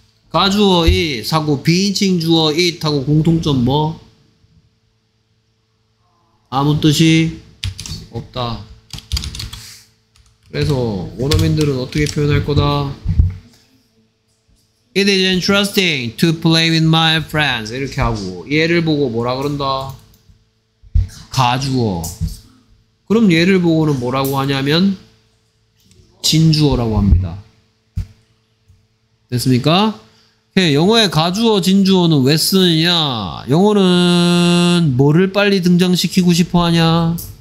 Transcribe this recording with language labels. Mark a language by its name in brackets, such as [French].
[Korean] 가주어 it 하고 비인칭 주어 it 하고 공통점 뭐? 아무 뜻이 없다. 그래서 원어민들은 어떻게 표현할 거다? [English] It is interesting to play with my friends. [Korean] 이렇게 하고 얘를 보고 뭐라 그런다? 가주어. 그럼 얘를 보고는 뭐라고 하냐면 진주어라고 합니다. 됐습니까? 영어의 가주어, 진주어는 왜 쓰느냐? 영어는 뭐를 빨리 등장시키고 싶어 하냐?